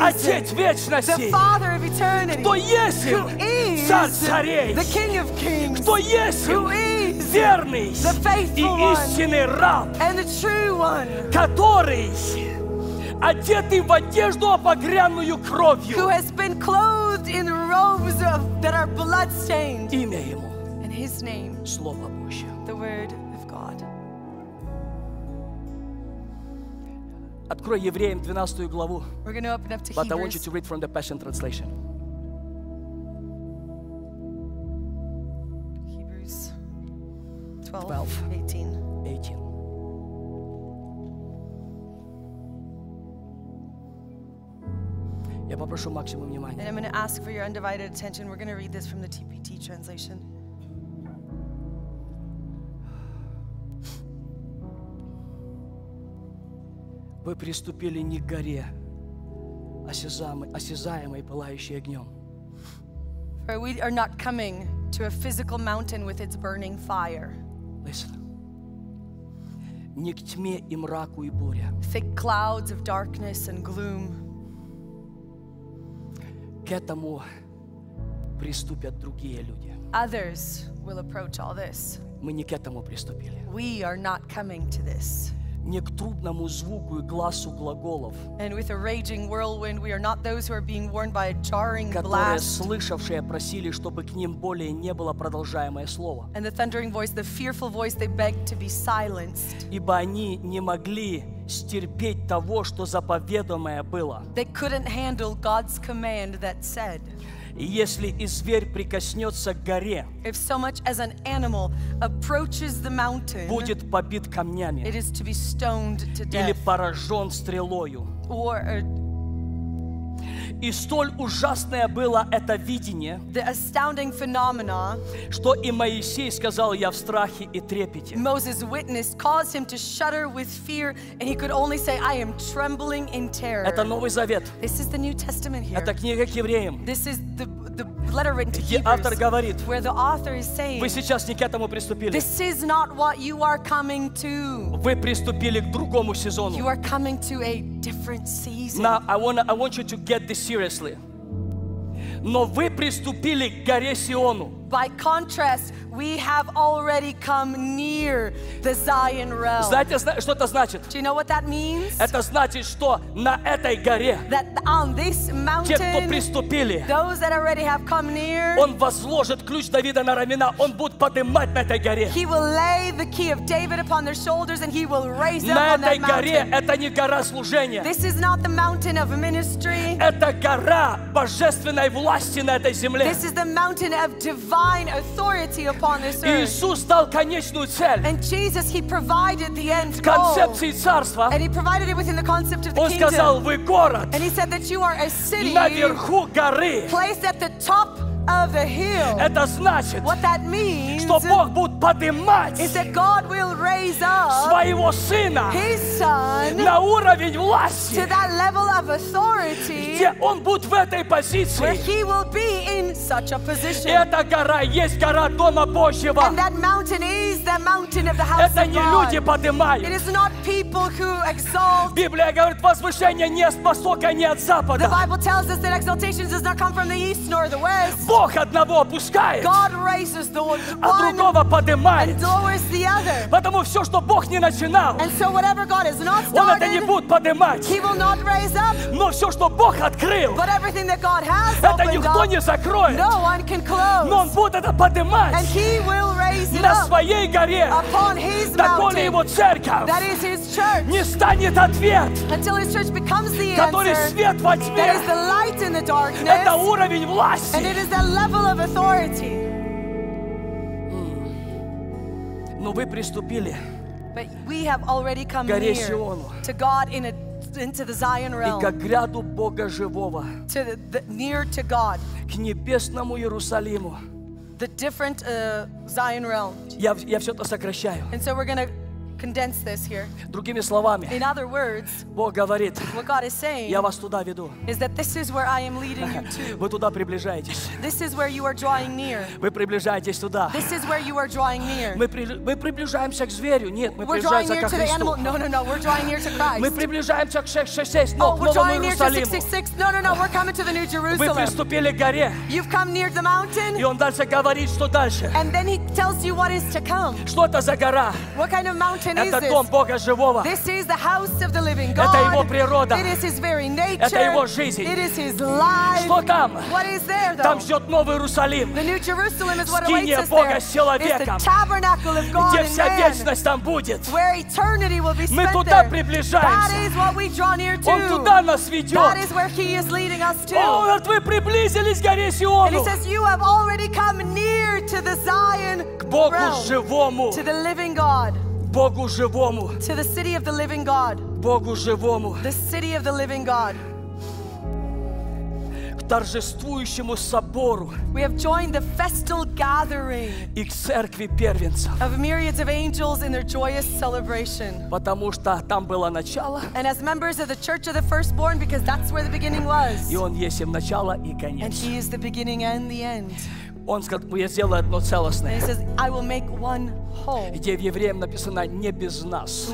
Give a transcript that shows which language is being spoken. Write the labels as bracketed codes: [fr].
[ru] отец вечности, [en] the father of eternity, [ru] кто есим, [en] who is [ru] царь царей, [en] the king of kings, [ru] кто есим, [en] who is [ru] верный, [en] the faithful [ru] и истинный раб, [en] and the true one, [ru] который одетый в одежду, обогрянную кровью, [en] who has been clothed in robes of, that are blood-stained. [ru] Имя Ему. [en] And His name. [ru] Слово Божье. [en] The word of God. [ru] Открой Евреям 12 главу. [en] We're going to open up to but Hebrews. I want you to read from the Passion Translation. Hebrews 12, 18. [ru] Я попрошу максимум внимания. [en] And I'm going to ask for your undivided attention. We're going to read this from the TPT translation. [ru] Вы приступили не к горе, осязаемой, пылающей огнем. [en] For we are not coming to a physical mountain with its burning fire. Listen. [ru] Не к тьме и мраку и буре. [en] Thick clouds of darkness and gloom. [ru] К этому приступят другие люди. [en] Others will approach all this. [ru] Мы не к этому приступили. [en] We are not coming to this. [ru] Не к трубному звуку и гласу глаголов. [en] And with a raging whirlwind, we are not those who are being warned by a jarring [ru] которые [en] blast. [ru] Которые слышавшие просили, чтобы к ним более не было продолжаемое слово. [en] And the thundering voice, the fearful voice, they begged to be silenced. [ru] Ибо они не могли стерпеть того, что заповедомое было. [en] They couldn't handle God's command that said. [ru] Если и зверь прикоснется к горе, [en] if so much as an animal approaches the mountain, [ru] будет побит камнями, [en] it is to be stoned to death, [ru] или поражен стрелою. [en] Or a... [ru] И столь ужасное было это видение, [en] the astounding phenomena, [ru] что и Моисей сказал, я в страхе и трепете. [en] Moses witnessed caused him to shudder with fear, and he could only say, I am trembling in terror. [ru] Это Новый Завет. [en] This is the New Testament here. [ru] Это книга к евреям. [en] This is the letter written to Hebrews. [ru] Где автор говорит, [en] where the author is saying, [ru] вы сейчас не к этому приступили. [en] This is not what you are coming to. [ru] Вы приступили к другому сезону. [en] You are coming to a different season. Now, I want you to get this seriously. [ru] Но вы приступили к горе Сиону. [en] By contrast, we have already come near the Zion realm. [ru] Знаете, что это значит? [en] Do you know what that means? [ru] Это значит, что на этой горе, [en] that on this mountain, [ru] те, кто приступили, [en] those that already have come near, [ru] он возложит ключ Давида на рамена, он будет поднимать на этой горе. [en] He will lay the key of David upon their shoulders and he will raise them [ru] на [en] on [ru] этой [en] that [ru] горе [en] mountain. [ru] Это не гора служения. [en] This is not the mountain of ministry. [ru] Это гора божественной власти на этой земле. [en] This is the mountain of divine authority upon this earth. [ru] Иисус дал конечную цель. [en] And Jesus, he provided the end goal. [ru] Концепции царства. [en] And he provided it within the concept of the [ru] Он сказал, [en] kingdom. [ru] Вы город. [en] And he said that you are a city [ru] наверху горы. [en] Placed at the top of the hill. [ru] Это значит, [en] what that means, [ru] что Бог будет поднимать, [en] is that God will raise up [ru] своего сына, [en] his son, [ru] на уровень власти, [en] to that level of authority, [ru] где он будет в этой позиции, [en] where he will be in such a position. [ru] Эта гора есть гора дома Божьего. [en] And that mountain is the mountain of the house of God. [ru] Это не люди поднимают. [en] It is not people who exalt. [ru] Библия говорит, возвышение не с востока, не от запада. [en] The Bible tells us that exaltation does not come from the east nor the west. [ru] Бог одного опускает, [en] God raises the one, [ru] а другого поднимает. [en] And lowers the other. [ru] Потому все, что Бог не начинал, [en] and so whatever God has not started, [ru] Он это не будет поднимать. [en] He will not raise up. [ru] Но все, что Бог открыл, [en] but everything that God has opened, [ru] это никто [en] up, [ru] не закроет. [en] No one can close. [ru] Но Он будет это поднимать, [en] and he will raise it [ru] на Своей горе, [en] upon his [ru] доколе Его церковь, [en] that is his church, [ru] не станет ответ, [en] until his church becomes the answer, [ru] который свет во тьме. [en] That is the light in the darkness. [ru] Это уровень власти. [en] And it is the level of authority. [ru] Но вы приступили. [en] But we have already come here to God in a, into the Zion realm. [ru] И как гряду Бога живого. [en] To the, near to God. [ru] К небесному Иерусалиму. [en] The different Zion realm. [ru] Я все это сокращаю. [en] And so we're going to condense this here. [ru] Другими словами, [en] in other words, [ru] Бог говорит, [en] what God is saying, [ru] я вас туда веду. [en] Is that this is where I am leading you to. [ru] Вы туда приближаетесь. [en] This is where you are drawing near. [ru] Вы приближаетесь туда. [en] This is where you are drawing near. [ru] Мы приближаемся к зверю. Нет, мы приближаемся к Христу. [en] No, we're drawing near to Christ. [ru] Мы приближаемся к 666, но к новому Иерусалиму. [en] No, we're coming to the new Jerusalem. [ru] Вы приступили к горе. [en] You've come near the mountain. [ru] И Он дальше говорит, что дальше. [en] And then He tells you what is to come. [ru] Что это за гора? [en] What kind of mountain? [ru] Это дом Бога живого. [en] This is the house of the living God. [ru] Это Его природа. [en] It is His very nature. [ru] Это Его жизнь. [en] It is His life. [ru] Что там? [en] What is there, though? [ru] Там ждет Новый Иерусалим. [en] The new Jerusalem is what awaits us there. [ru] Скиния Бога с человеком. [en] It's the tabernacle of God and man. [ru] Где вся вечность там будет. [en] Where eternity will be spent. [ru] Мы туда приближаемся. [en] That is what we draw near to. [ru] Он туда нас ведет. [en] That is where He is leading us to. [ru] О, вот вы приблизились к горе Сиону. [en] And He says, you have already come near to the Zion realm. [ru] К Богу живому. [en] To the living God. [ru] Богу живому. [en] To the city of the living God. [ru] Богу живому. [en] The city of the living God. [ru] К торжествующему собору. [en] We have joined the festal gathering. [ru] И к церкви первенцев. [en] Of myriads of angels in their joyous celebration. [ru] Потому что там было начало. [en] And as members of the church of the firstborn, because that's where the beginning was. [ru] И Он есть им начало и конец. [en] And He is the beginning and the end. [ru] Он сказал, я сделаю одно целостное. [en] And he says, I will make one whole. [ru] Где в евреям написано не без нас.